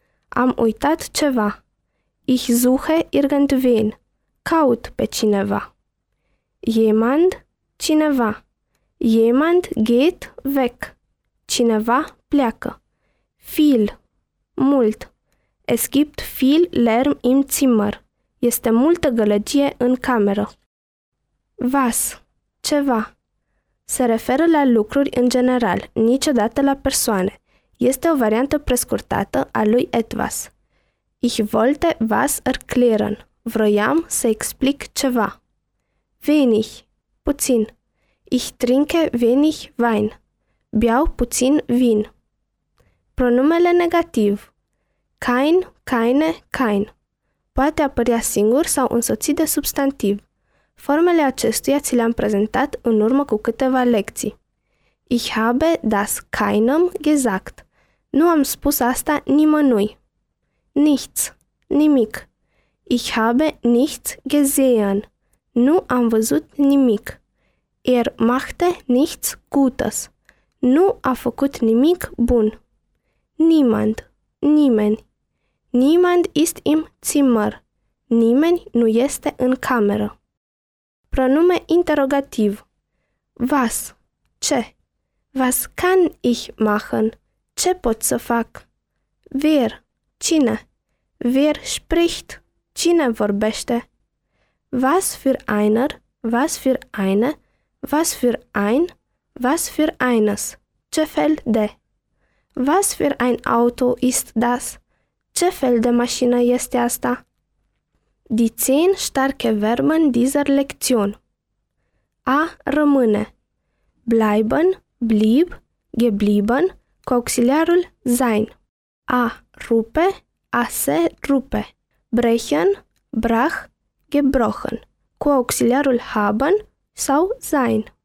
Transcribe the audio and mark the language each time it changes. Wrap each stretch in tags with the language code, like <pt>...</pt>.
<ro>Am uitat ceva.</ro> <de>Ich suche irgendwen.</de> <ro>Caut pe cineva. Jemand, cineva.</ro> <de>Jemand geht weg.</de> <ro>Cineva pleacă.</ro> <de>Viel, mult. Es gibt viel Lärm im Zimmer.</de> <ro>Este multă gălăgie în cameră. Was, ceva. Se referă la lucruri în general, niciodată la persoane. Este o variantă prescurtată a lui etwas.</ro> <de>Ich wollte was erklären.</de> <ro>Vroiam să explic ceva. Wenig, puțin.</ro> <de>Ich trinke wenig Wein.</de> <ro>Beau puțin vin. Pronumele negativ. Kein, keine, kein. Poate apărea singur sau însoțit de substantiv. Formele acestuia ți le-am prezentat în urmă cu câteva lecții.</ro> <de>Ich habe das keinem gesagt.</de> <ro>Nu am spus asta nimănui.</ro> <de>Nichts, nimic. Ich habe nichts gesehen.</de> <ro>Nu am văzut nimic.</ro> <de>Machte nichts Gutes.</de> <ro>Nu a făcut nimic bun. Niemand, nimeni.</ro> <de>Niemand ist im Zimmer.</de> <ro>Nimeni nu este în cameră. Pronume interrogativ. Was? Ce?</ro> <de>Was kann ich machen?</de> <ro>Ce pot să fac?</ro> <de>Wer? Cine? Wer spricht?</de> <ro>Cine vorbește?</ro> <de>Was für einer? Was für eine? Was für ein? Was für eines?</de> <ro>Ce fel de?</ro> <de>Was für ein Auto ist das?</de> <ro>Ce fel de mașină este asta?</ro> <de>Die 10 starke Verben dieser Lektion.</de> <ro>A rămâne.</ro> <de>Bleiben, blieb, geblieben,</de> <ro>cu auxiliarul sein. A rupe, a se rupe.</ro> <de>Brechen, brach, gebrochen,</de> <ro>cu auxiliarul haben sau sein.</ro>